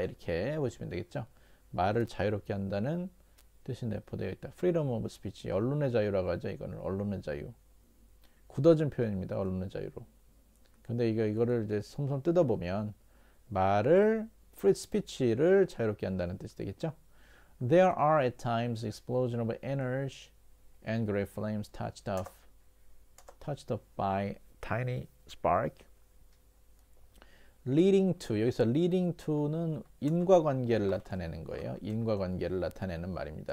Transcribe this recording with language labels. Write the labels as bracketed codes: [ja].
[ko] 이렇게 보시면 되겠죠. 말을 자유롭게 한다는 뜻이 내포되어 있다. [en] Freedom of speech. [ko] 언론의 자유라고 하죠. 이거는 언론의 자유. 굳어진 표현입니다. 언론의 자유로. 근데 이거를 이제 솜솜 뜯어보면 말을 free speech를 자유롭게 한다는 뜻이 되겠죠. [en] There are at times explosion of energy and great flames touched off by tiny spark. Leading to, [ko] 여기서 leading to는 인과관계를 나타내는 거예요. 인과관계를 나타내는 말입니다.